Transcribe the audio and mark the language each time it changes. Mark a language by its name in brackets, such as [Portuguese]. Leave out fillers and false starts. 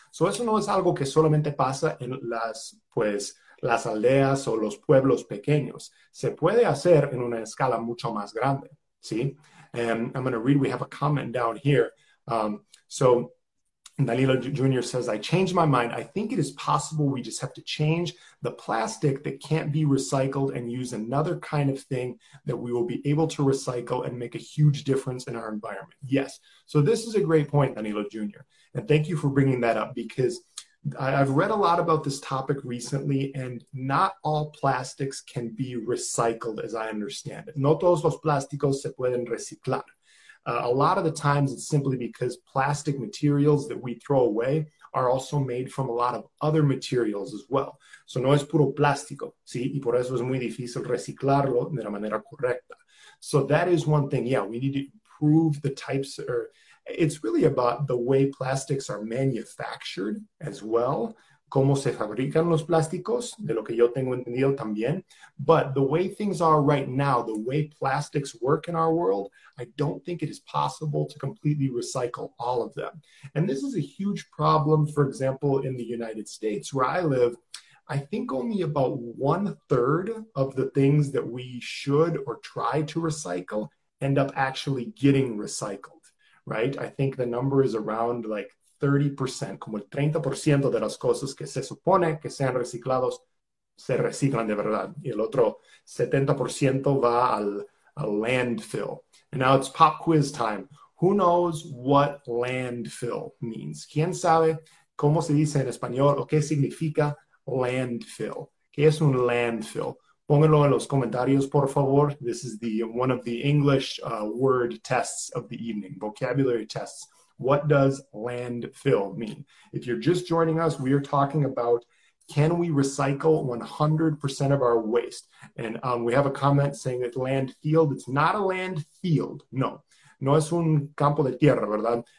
[Spanish] So eso no es algo que solamente pasa en las aldeas o los pueblos pequeños. Se puede hacer en una escala mucho más grande, ¿sí? [English] And I'm going to read, we have a comment down here. So Danilo Jr. says, I changed my mind. I think it is possible we just have to change the plastic that can't be recycled and use another kind of thing that we will be able to recycle and make a huge difference in our environment. Yes. So this is a great point, Danilo Jr. And thank you for bringing that up, because I've read a lot about this topic recently, and not all plastics can be recycled, as I understand it. [Spanish] No todos los plásticos se pueden reciclar. [English] A lot of the times it's simply because plastic materials that we throw away are also made from a lot of other materials as well. [Spanish] So no es puro plástico, ¿sí? Y por eso es muy difícil reciclarlo de la manera correcta. [English] So that is one thing. Yeah, we need to improve the types, or it's really about the way plastics are manufactured as well. [Spanish] Cómo se fabrican los plásticos, de lo que yo tengo entendido también. [English] But the way things are right now, the way plastics work in our world, I don't think it is possible to completely recycle all of them. And this is a huge problem, for example, in the United States, where I live. I think only about 1/3 of the things that we should or try to recycle end up actually getting recycled, right? I think the number is around like 30%, [Spanish] como el 30% de las cosas que se supone que sean reciclados, se reciclan de verdad. Y el otro 70% va al landfill. [English] And now it's pop quiz time. Who knows what landfill means? [Spanish] ¿Quién sabe cómo se dice en español o qué significa landfill? ¿Qué es un landfill? Pónganlo en los comentarios, por favor. [English] This is one of the English word tests of the evening, vocabulary tests. What does landfill mean? If you're just joining us, we are talking about, can we recycle 100% of our waste? And we have a comment saying that landfill, it's not a landfill. [Spanish] No, no es un campo de tierra, ¿verdad?